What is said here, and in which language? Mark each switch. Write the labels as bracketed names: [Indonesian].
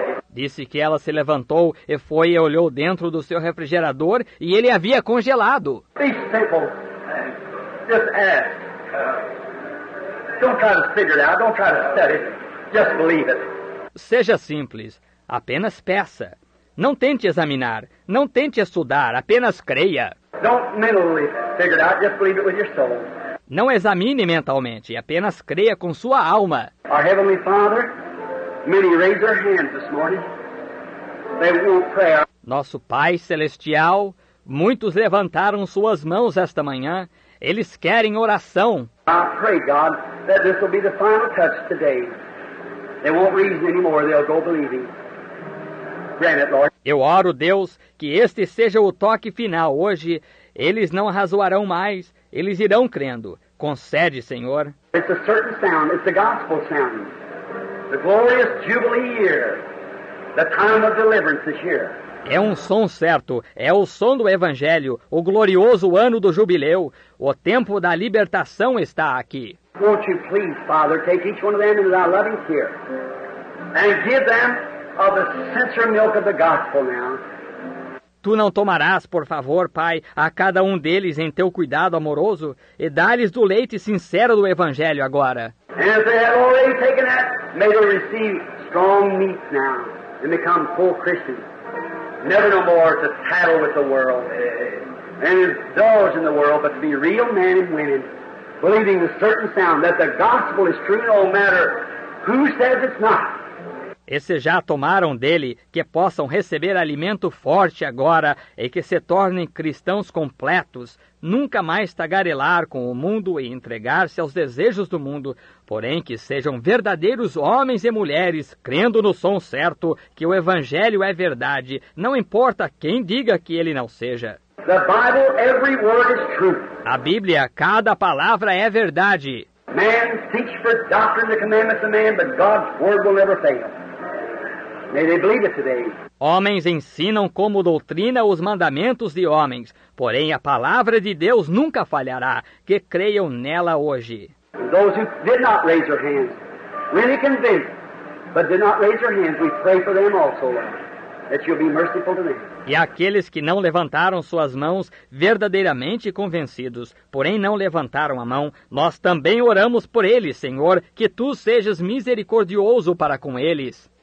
[Portuguese] Disse que ela se levantou e foi e olhou dentro do seu refrigerador e ele havia congelado. [English] Be simple. Just ask. Don't try to figure it out. Don't try to study. Just believe it. [Portuguese] Seja simples. Apenas peça. Não tente examinar. Não tente estudar. Apenas creia. [English] Don't mentally figure it out. Just believe it with your soul. [Portuguese] Não examine mentalmente. Apenas creia com sua alma. [English] Our Heavenly Father, many raise their hands this morning. They want prayer. [Portuguese] Nosso Pai Celestial, muitos levantaram suas mãos esta manhã. Eles querem oração. [English] I pray, God, that this will be the final touch today. They won't reason anymore. They'll go believing. Grant it, Lord. [Portuguese] Eu oro, Deus, que este seja o toque final hoje. Eles não razoarão mais. Eles irão crendo. Concede, Senhor. [English] It's a certain sound. It's the gospel sound. The glorious jubilee year. The time of deliverance is here. [Portuguese] É um som certo, é o som do Evangelho, o glorioso ano do jubileu, o tempo da libertação está aqui. [English] Won't you please, Father, take each one of them into thy loving care and give them of the sincere milk of the gospel now. [Portuguese] Tu não tomarás, por favor, Pai, a cada um deles em teu cuidado amoroso e dá-lhes do leite sincero do Evangelho agora. [English] And if they have already taken that, may they receive strong meat now and become full Christians. Never no more to tattle with the world and indulge in the world, but to be real men and women, believing the certain sound that the gospel is true no matter who says it's not. [Portuguese] Esses já tomaram dele, que possam receber alimento forte agora e que se tornem cristãos completos, nunca mais tagarelar com o mundo e entregar-se aos desejos do mundo, porém que sejam verdadeiros homens e mulheres, crendo no som certo que o Evangelho é verdade, não importa quem diga que ele não seja. [English] The Bible, every word is truth. [Portuguese] A Bíblia, cada palavra é verdade. [English] Man seeks for doctrine the commandments of man, but God's word will never fail. May they believe it today. [Portuguese] Homens ensinam como doutrina os mandamentos de homens, porém a palavra de Deus nunca falhará, que creiam nela hoje. [English] Those who did not raise their hands, really convinced, but did not raise their hands, we pray for them also, Lord, that you'll be merciful to them. [Portuguese] E aqueles que não levantaram suas mãos, verdadeiramente convencidos, porém não levantaram a mão, nós também oramos por eles, Senhor, que tu sejas misericordioso para com eles.